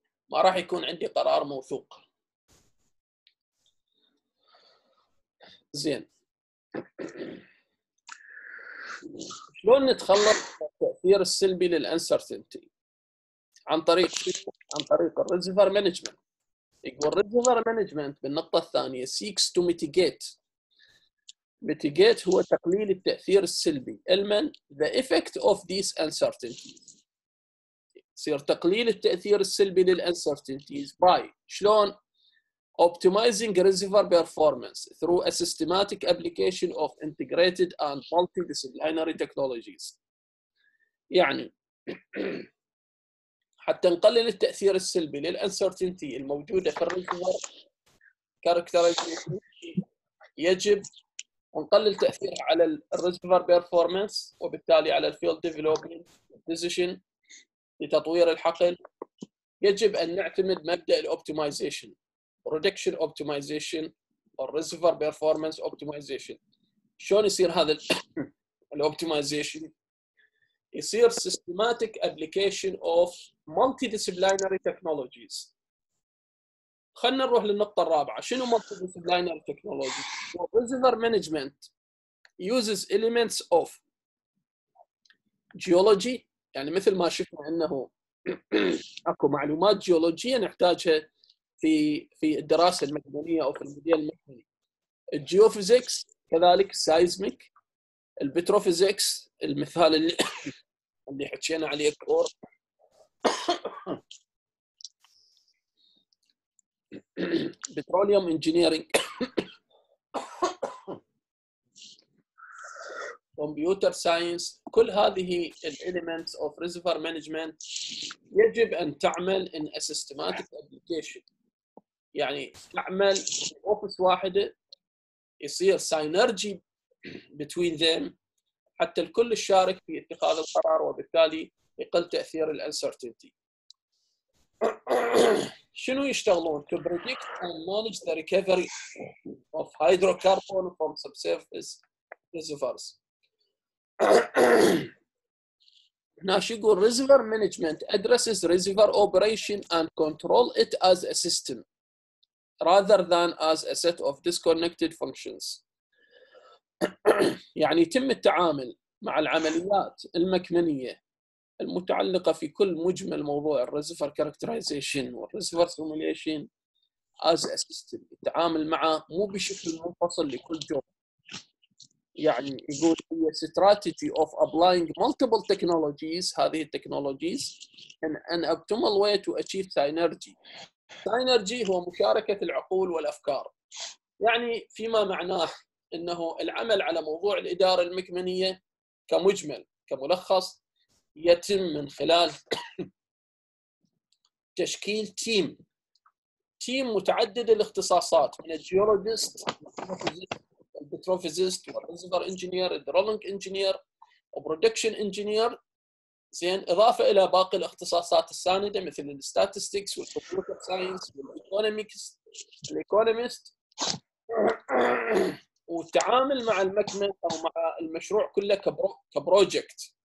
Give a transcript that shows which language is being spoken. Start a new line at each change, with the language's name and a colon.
Arabic: ما راح يكون عندي قرار موثوق. زين شلون نتخلص من التأثير السلبي للانسرتينتي؟ عن طريق الريزيفر مانجمنت. يقول الريزيفر مانجمنت بالنقطة الثانية
English: seeks to mitigate
Arabic: هو تقليل التأثير السلبي المن
English: the effect of these uncertainties،
Arabic: يصير تقليل التأثير السلبي للانسرتينتيز
English: by
Arabic: شلون
English: optimizing reservoir performance through a systematic application of integrated and multidisciplinary technologies. يعني
Arabic: حتى نقلل التأثير السلبي للأنسرتينتي الموجودة في الريزوار كاركترايزيشن، يجب نقلل تأثيرها على الريزوار بيرفورمانس وبالتالي على الفيلد ديفلوبمنت ديسيشن لتطوير الحقل. يجب أن نعتمد مبدأ
English: الأوبتمايزيشن reduction optimization الريزوار performance optimization.
Arabic: شلون يصير هذا الأوبتمايزيشن؟ يصير
English: systematic application of multidisciplinary technologies.
Arabic: خلنا نروح للنقطة الرابعة. شنو
English: multidisciplinary technology؟ Reservoir management uses elements of geology.
Arabic: يعني مثل ما شفنا أنه أكو معلومات جيولوجية نحتاجها في الدراسة المدنية أو في المدينة المدنية.
English: Geophysics
Arabic: كذلك
English: seismic.
Arabic: البتروفيزيكس المثال اللي حكينا عليه كور.
English: Petroleum engineering. Computer science.
Arabic: كل هذه
English: الاليمنتس of reservoir management
Arabic: يجب ان تعمل
English: In systematic application.
Arabic: يعني تعمل اوفيس واحده يصير ساينرجي
English: between them
Arabic: حتى الكل يشارك في اتخاذ القرار وبالتالي يقل تأثير الانسرتينتي. شنو يشتغلون؟
English: To predict and manage the recovery of hydrocarbon from subsurface reservoirs.
Arabic: ناش يقول
English: reservoir management addresses reservoir operation and control it as a system rather than as a set of disconnected functions.
Arabic: يعني يتم التعامل مع العمليات المكمنية المتعلقة في كل مجمل موضوع الريزرفر كاركترايزيشن والريزرفر سيموليشن
English: as a system.
Arabic: التعامل معه مو بشكل منفصل لكل جوب. يعني يقول هي
English: strategy of applying multiple technologies
Arabic: هذه التكنولوجيز
English: in an optimal way to achieve synergy.
Arabic: Synergy هو مشاركة العقول والأفكار. يعني فيما معناه انه العمل على موضوع الاداره المكمنيه كمجمل كملخص يتم من خلال تشكيل تيم متعدد الاختصاصات من الجيولوجيست البتروفيزيست والريزرفر انجينير الدرولينج انجينير وبرودكشن انجينير زين اضافه الى باقي الاختصاصات السانده مثل الستاتستكس والكمبيوتر ساينس والايكونوميكس الايكونوميست وتعامل مع المكمن او مع المشروع كله كبروجكت.